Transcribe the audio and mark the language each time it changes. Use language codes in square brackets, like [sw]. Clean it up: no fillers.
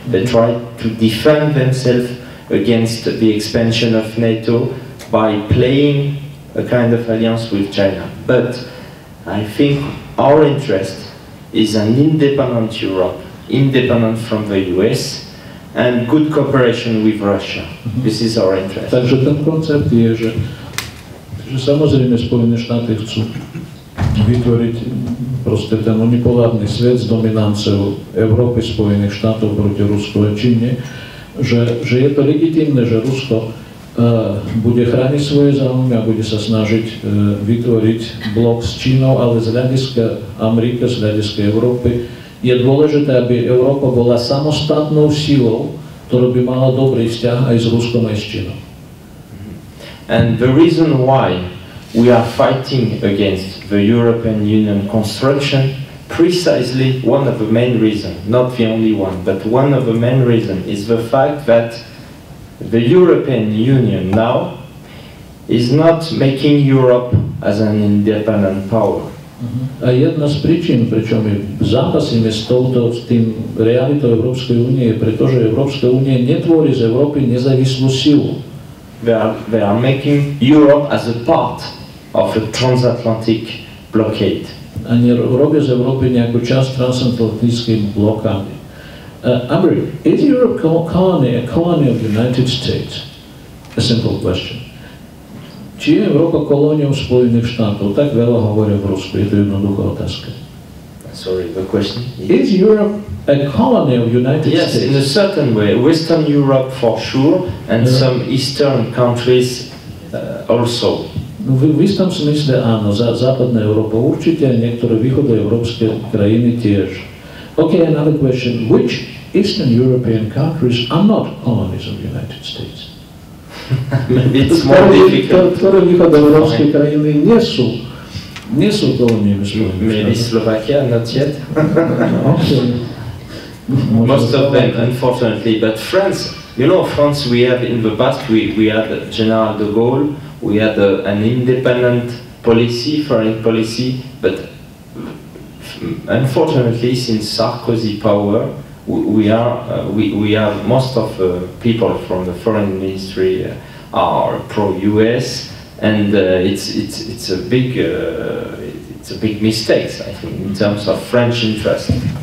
[en] They try to defend themselves against the expansion of NATO by playing a kind of alliance with China. But I think our interest is an independent Europe, independent from the US, and good cooperation with Russia. Mm-hmm. This is our interest. [sk] Takže ten koncept je, že samozrejme Spojené štáty chcú vytvoriť proste ten unipolárny svet s dominanciou Európy, Spojených štátov proti Rusku a Číne, že je to legitimné, že Rusko bude chrániť svoje záujmy a bude sa snažiť vytvoriť blok s Čínou, ale z hľadiska Ameriky, z hľadiska Európy, je dôležité, aby Európa bola samostatnou silou, ktorá by mala dobrý vzťah aj s Ruskom, aj s Čínom. [en] And the reason why we are fighting against the European Union construction precisely one of the main reasons, not the only one, but one of the main reasons is the fact that the European Union now is not making Europe as an independent power. [sk] A jedna z príčin, prečo my zápasíme s touto, s tým realitou Európskej únie, je preto, že Európska únie netvorí z Európy nezávislú silu. [en] They are making Europe as a part of a transatlantic blockade. [sk] Ani robia z Európy nejakú časť transatlantickej blokády. [en] Aymeric, is Europe a colony of the United States? A simple question. [sk] Či je Európa kolóniou Spojených štátov? Tak veľa hovoria v Rusku, je to jednoduchá otázka. [en] Sorry, the question is... Is Europe a colony of United yes, States? Yes, in a certain way. Western Europe for sure, and yeah. Some Eastern countries also. [sk] No, v istom smysle áno, západná Európa určite, a niektoré východoeurópske krajiny tiež. [en] Okay, another question. Which Eastern European countries are not colonies of the United States? It's more difficult. [sk] Ktoré východoeurópske krajiny nie sú koloniami Spojených štátov? [en] Maybe Slovakia, not yet. Okay. Most of them, unfortunately, but France, you know, France, we have in the past, we had General de Gaulle, we had an independent policy, foreign policy, but unfortunately, since Sarkozy power, we have most of the people from the foreign ministry are pro-US, and it's a big mistake, I think, in terms of French interest.